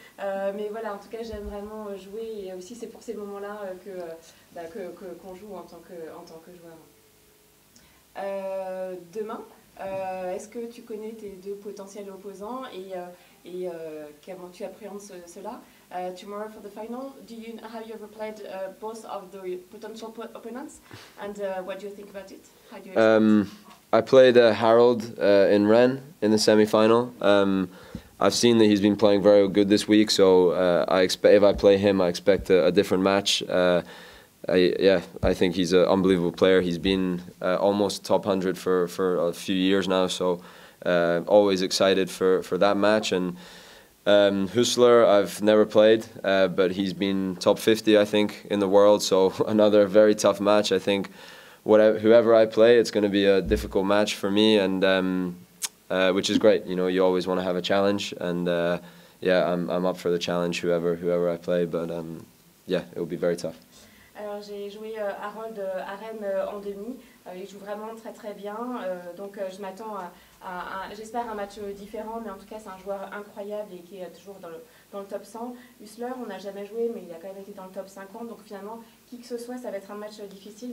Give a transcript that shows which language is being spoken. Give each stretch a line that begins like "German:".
French: Mais voilà, en tout cas, j'aime vraiment jouer. Et aussi, c'est pour ces moments-là qu'on joue en tant que joueur. Demain, est-ce que tu connais tes deux potentiels opposants et comment tu appréhendes cela?
English: Tomorrow for the final, have you ever played both of the potential opponents, and what do you think about it? How do you I played Harold in Rennes in the semi-final. I've seen that he's been playing very good this week, so if I play him, I expect a different match. I think he's an unbelievable player. He's been almost top 100 for a few years now, so always excited for that match. And Hüsler, I've never played, but he's been top 50, I think, in the world, so another very tough match. I think whoever I play, it's going to be a difficult match for me, and which is great. You know, you always want to have a challenge, and I'm up for the challenge whoever I play, but it will be very tough.
French: Alors, j'ai joué Harold à Rennes en demi. Il joue vraiment très très bien. Donc je m'attends j'espère un match différent. Mais en tout cas, c'est un joueur incroyable et qui est toujours dans le top 100. Hüsler, on n'a jamais joué, mais il a quand même été dans le top 50. Donc finalement, qui que ce soit, ça va être un match difficile.